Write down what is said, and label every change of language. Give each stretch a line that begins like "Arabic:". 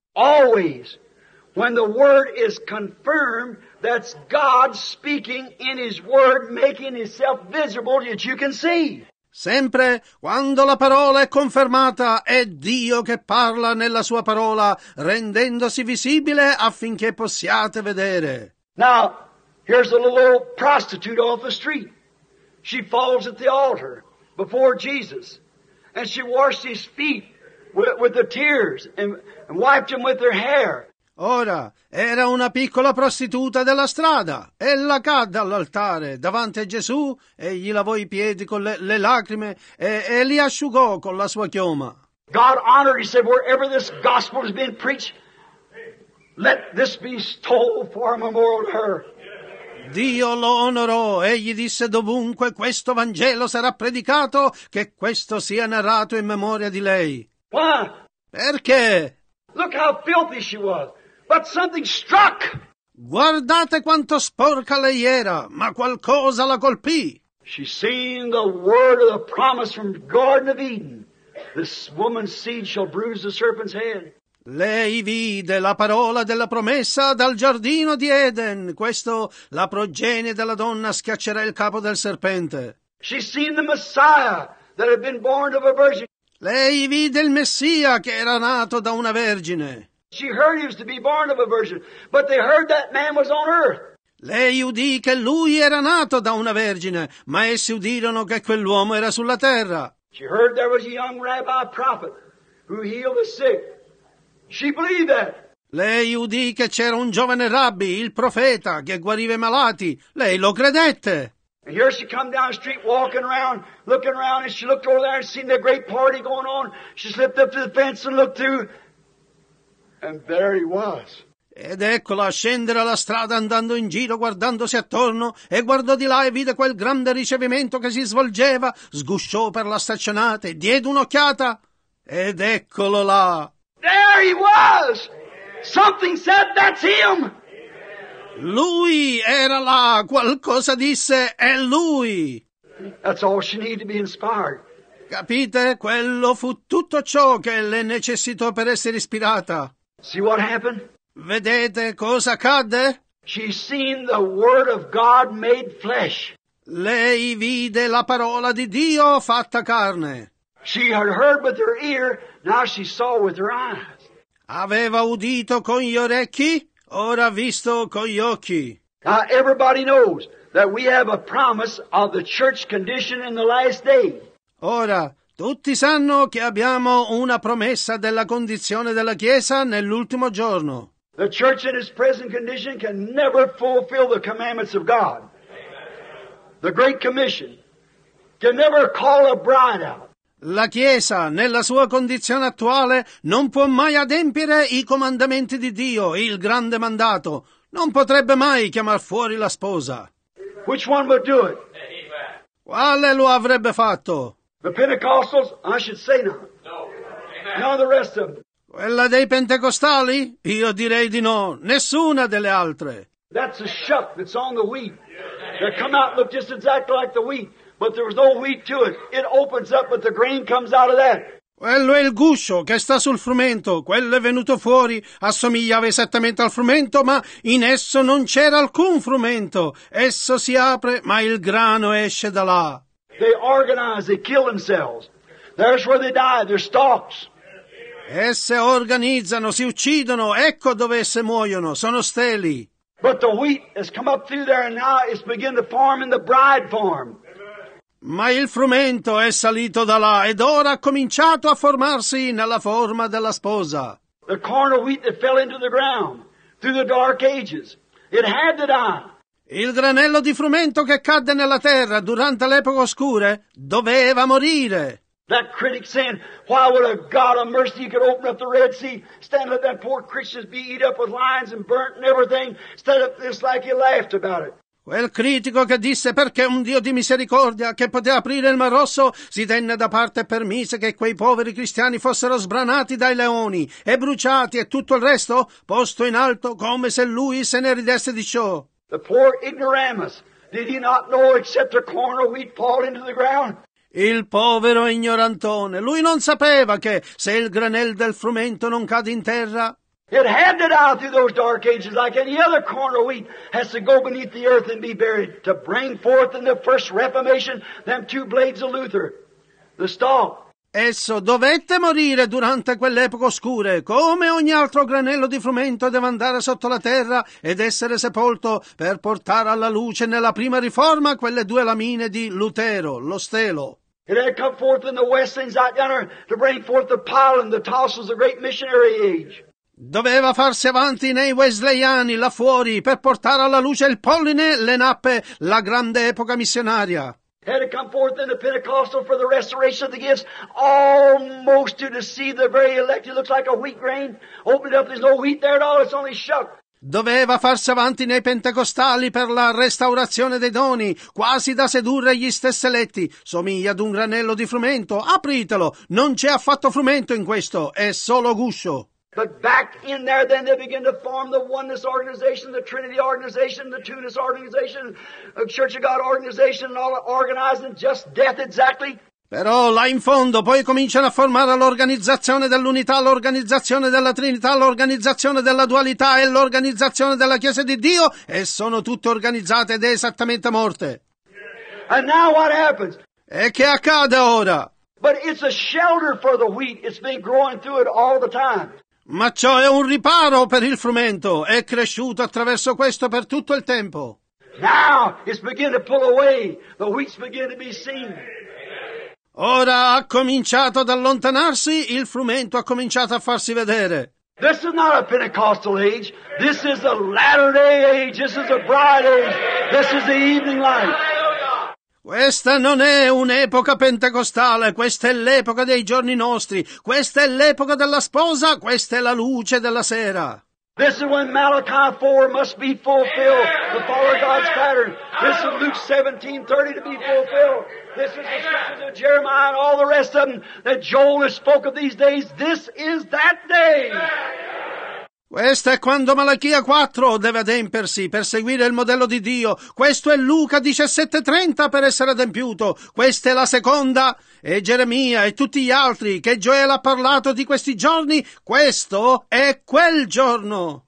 English: Always. When the word is confirmed, that's God speaking in his word, making himself visible that you can see.
Italian: Sempre quando la parola è confermata, è Dio che parla nella sua parola, rendendosi visibile affinché possiate vedere.
English: Now, here's a little old prostitute off the street. She falls at the altar before Jesus, and she washed his feet with the tears and wiped them with her hair.
Italian: Ora, era una piccola prostituta della strada. Ella cadde all'altare davanti a Gesù e gli lavò i piedi con le lacrime e li asciugò con la sua chioma.
English: God honored, he said, wherever this gospel has been preached, let this be told for a memorial to her.
Italian: Dio lo onorò e gli disse dovunque questo Vangelo sarà predicato, che questo sia narrato in memoria di lei.
English: Why?
Italian: Perché?
English: Look how filthy she was. But something struck.
Italian: Guardate quanto sporca lei era, ma qualcosa la colpì.
English: She seen the word of the promise from Garden of Eden. This woman's seed shall bruise the serpent's head.
Italian: Lei vide la parola della promessa dal giardino di Eden. Questo la progenie della donna schiaccerà il capo del serpente.
English: She seen the Messiah that had been born of a virgin.
Italian: Lei vide il Messia che era nato da una vergine.
English: She heard he was to be born of a virgin, but they heard that man was on earth.
Italian: Lei udì che lui era nato da una vergine, ma essi udirono che quell'uomo era sulla terra.
English: She heard there was a young rabbi prophet who healed the sick. She believed that.
Italian: Lei udì che c'era un giovane rabbi, il profeta, che guariva i malati. Lei lo credette.
English: And here she come down the street walking around, looking around, and she looked over there and seen the great party going on. She slipped up to the fence and looked through, and there he was.
Italian: Ed eccola scendere alla strada andando in giro guardandosi attorno e guardò di là e vide quel grande ricevimento che si svolgeva, sgusciò per la staccionata e diede un'occhiata ed eccolo là.
English: There he was! Something said that's him!
Italian: Lui era là, qualcosa disse è lui!
English: That's all she needed to be inspired.
Italian: Capite? Quello fu tutto ciò che le necessitò per essere ispirata.
English: See what happened?
Italian: Vedete cosa accadde?
English: She seen the word of God made flesh.
Italian: Lei vide la parola di Dio fatta carne.
English: She had heard with her ear, now she saw with her eyes.
Italian: Aveva udito con gli orecchi, ora visto con gli occhi.
English: Now everybody knows that we have a promise of the church condition in the last day.
Italian: Ora tutti sanno che abbiamo una promessa della condizione della Chiesa nell'ultimo giorno.
English: The church in its present condition can never fulfill the commandments of God. The Great Commission can never call a bride out.
Italian: La Chiesa, nella sua condizione attuale, non può mai adempiere i comandamenti di Dio, il grande mandato. Non potrebbe mai chiamar fuori la sposa.
English: Which one would do it?
Italian: Quale lo avrebbe fatto?
English: The Pentecostals? I should say no. No. None of the rest of them.
Italian: Quella dei pentecostali? Io direi di no. Nessuna delle altre.
English: That's a shuck that's on the wheat. They come out and look just exactly like the wheat, but there was no wheat to it. It opens up, but the grain comes out of that.
Italian: Quello è il guscio che sta sul frumento. Quello è venuto fuori. Assomigliava esattamente al frumento, ma in esso non c'era alcun frumento. Esso si apre, ma il grano esce da là.
English: They organize, they kill themselves. There's where they die, their stalks.
Italian: Esse organizzano, si uccidono, ecco dove esse muoiono, sono steli.
English: But the wheat has come up through there and now it's begin to form in the bride form.
Italian: Ma il frumento è salito da là ed ora ha cominciato a formarsi nella forma della sposa.
English: The corn of wheat that fell into the ground through the dark ages, it had to die.
Italian: Il granello di frumento che cadde nella terra durante l'epoca oscura doveva morire.
English: That critic saying, why would a God of mercy could open up the Red Sea, stand up that poor Christians be eat up with lions and burnt and everything, stand up this like he laughed about it.
Italian: Quel critico che disse perché un Dio di misericordia che poteva aprire il Mar Rosso si tenne da parte e permise che quei poveri cristiani fossero sbranati dai leoni e bruciati e tutto il resto posto in alto come se lui se ne ridesse di ciò.
English: The poor ignoramus, did he not know except a corn of wheat fall into the ground?
Italian: Il povero ignorantone, lui non sapeva che se il granel del frumento non cade in terra.
English: It had to die through those dark ages like any other corn of wheat has to go beneath the earth and be buried to bring forth in the first reformation them two blades of Luther, the stalk.
Italian: Esso dovette morire durante quell'epoca oscura, come ogni altro granello di frumento deve andare sotto la terra ed essere sepolto per portare alla luce nella prima riforma quelle due lamine di Lutero, lo stelo.
English: It had come forth in the west things out yonder to bring forth the pollen, the tassels of the great missionary age.
Italian: Doveva farsi avanti nei Wesleyani là fuori per portare alla luce il polline, le nappe, la grande epoca missionaria.
English: Had to come forth in the Pentecostal for the restoration of the gifts, almost to deceive the very elect. It looks like a wheat grain. Opened up, there's no wheat there at all, it's only shuck.
Italian: Doveva farsi avanti nei Pentecostali per la restaurazione dei doni, quasi da sedurre gli stessi eletti. Somiglia ad un granello di frumento, apritelo, non c'è affatto frumento in questo, è solo guscio.
English: But back in there then they begin to form the oneness organization, the trinity organization, the two-ness organization, the church of God organization, and all organizing just death exactly.
Italian: Però là in fondo poi cominciano a formare l'organizzazione dell'unità, l'organizzazione della trinità, l'organizzazione della dualità e l'organizzazione della chiesa di Dio e sono tutte organizzate ed è esattamente morte.
English: And now what happens?
Italian: E che accade ora?
English: But it's a shelter for the wheat. It's been growing through it all the time.
Italian: Ma ciò è un riparo per il frumento. È cresciuto attraverso questo per tutto il tempo.
English: Now it's beginning to pull away. The wheat's beginning to be seen.
Italian: Ora ha cominciato ad allontanarsi, il frumento ha cominciato a farsi vedere.
English: This is not a Pentecostal age. This is a Latter-day age. This is a bright age. This is the evening light.
Italian: Questa non è un'epoca pentecostale, questa è l'epoca dei giorni nostri. Questa è l'epoca della sposa, questa è la luce della sera.
English: This is when Malachi 4 must be fulfilled, to follow God's pattern. This is Luke 17:30 to be fulfilled. This is the scriptures of Jeremiah and all the rest of them that Joel has spoke of these days. This is that day.
Italian: Questo è quando Malachia 4 deve adempersi per seguire il modello di Dio. Questo è Luca 17:30 per essere adempiuto. Questa è la seconda. E Geremia e tutti gli altri che Gioele ha parlato di questi giorni, questo è quel giorno.